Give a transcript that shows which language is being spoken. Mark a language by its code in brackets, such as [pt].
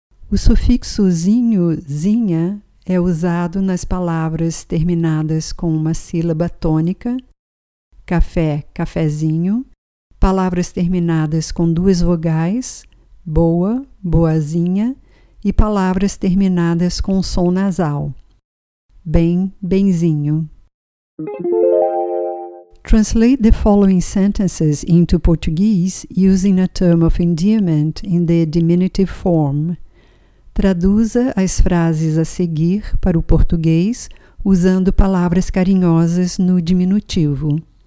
[pt] O sufixo zinho, zinha, é usado nas palavras terminadas com uma sílaba tônica, café, cafezinho, palavras terminadas com duas vogais, boa, boazinha, e palavras terminadas com som nasal, bem, benzinho. [en] Translate the following sentences into Portuguese using a term of endearment in the diminutive form. [pt] Traduza as frases a seguir para o português usando palavras carinhosas no diminutivo.